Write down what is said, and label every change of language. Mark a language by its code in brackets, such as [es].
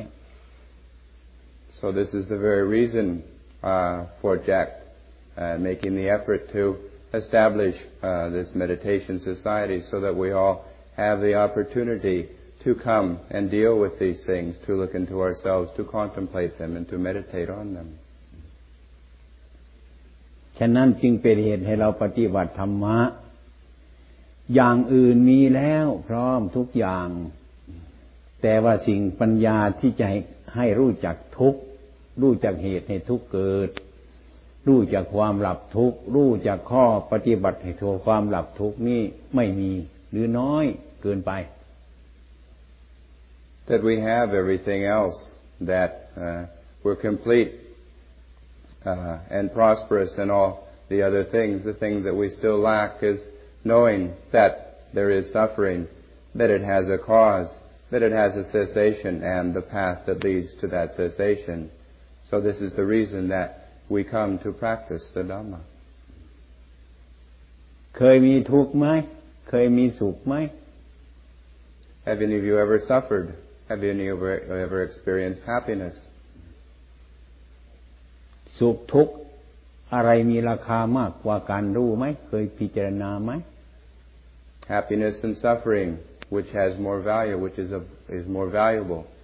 [en] So this is the very reason for Jack making the effort to establish this meditation society so that we all have the opportunity to come and deal with these things, to look into ourselves, to contemplate them and to meditate on them [th] ฉะนั้นจึงเป็นเหตุให้เราปฏิบัติธรรมะอย่างอื่นมีแล้วพร้อมทุกอย่างแต่ว่าสิ่งปัญญาที่จะให้รู้จักทุกข์รู้จักเหตุให้ทุกข์เกิดรู้จักความหลับทุกข์รู้จักข้อปฏิบัติให้ถึงความหลับทุกข์นี่ไม่มีหรือน้อยเกินไป [en] That we have everything else that we're completeand prosperous and all the other things. The thing that we still lack is knowing that there is suffering, that it has a cause, that it has a cessation, and the path that leads to that cessation. So this is the reason that we come to practice the Dhamma. Have any of you ever suffered? Have any of you ever experienced happiness? [th] สุขทุกข์อะไรมีราคามากกว่าการรู้ไหมเคยพิจารณาไหม [en] Happiness and suffering, which has more value, which is more valuable.